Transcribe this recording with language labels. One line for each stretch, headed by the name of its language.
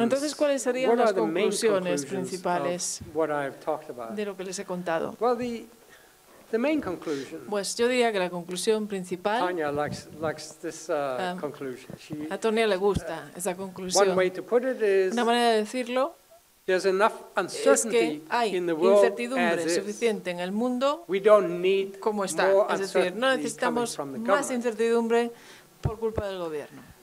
Spanish: Entonces, ¿cuáles serían las conclusiones principales de lo que les he contado?
English: Well, the main conclusion.
Spanish: Pues yo diría que la conclusión principal.
English: Tanya likes this conclusion.
Spanish: A Tonya le gusta esa conclusión.
English: One way to put it is,
Spanish: una manera de decirlo.
English: There's enough uncertainty in the world.
Spanish: Hay incertidumbre suficiente en el mundo.
English: We don't need
Spanish: como está.
English: More
Spanish: es decir, no necesitamos más incertidumbre por culpa del gobierno.